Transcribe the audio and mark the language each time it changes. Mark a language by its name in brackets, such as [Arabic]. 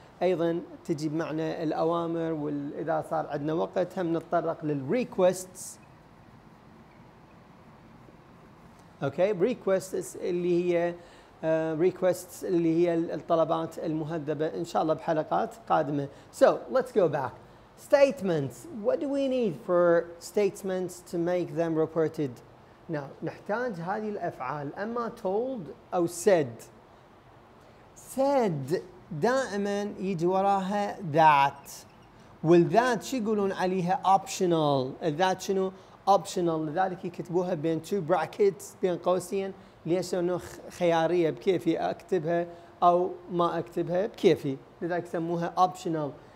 [Arabic] أيضا تجي بمعنى الأوامر، وإذا صار عندنا وقت هم نتطرق للrequests. أوكي requests اللي هي requests اللي هي الطلبات المهذبة إن شاء الله بحلقات قادمة. [English] So let's go back. Statements. What do we need for statements to make them reported? [Arabic] Now, نحتاج هذه الأفعال، أما told أو said. Said دائما يجي وراها that، والذات شو يقولون عليها optional. الذات شنو optional، لذلك يكتبوها بين [English] two brackets [Arabic] بين قوسين، ليش؟ لأنه خيارية، بكيفي أكتبها أو ما أكتبها، بكيفي، لذلك يسموها optional.